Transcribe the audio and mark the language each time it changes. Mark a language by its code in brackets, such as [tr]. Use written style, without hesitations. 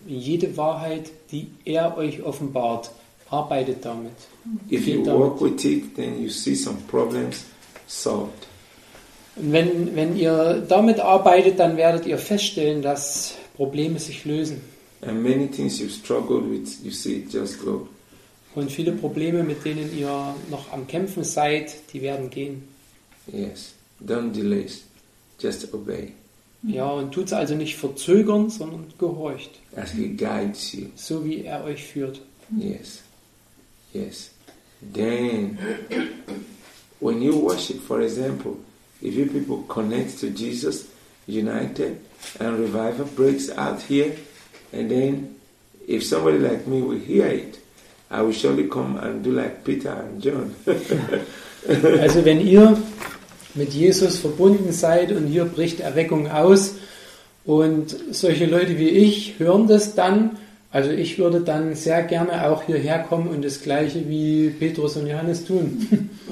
[de] Jede Wahrheit, die er euch offenbart, arbeitet damit. [en] If you work with it, then you see some problems solved. [de] Wenn ihr damit arbeitet, dann werdet ihr feststellen, dass Probleme sich lösen. [en] And many things you struggled with, you see just go. [de] Und viele Probleme, mit denen ihr noch am Kämpfen seid, die werden gehen. [en] Yes, don't delay, just obey. [de] Ja, und tut es also nicht verzögern, sondern gehorcht. [en] As he guides you. [de] So wie er euch führt. [en] Yes. Yes. Then, when you worship, for example, if you people connect to Jesus, united, and revival breaks out here, and then, if somebody like me will hear it, I will surely come and do like Peter and John. [de] Also wenn ihr mit Jesus verbunden seid und hier bricht Erweckung aus und solche Leute wie ich hören das dann, also ich würde dann sehr gerne auch hierher kommen und das gleiche wie Petrus und Johannes tun.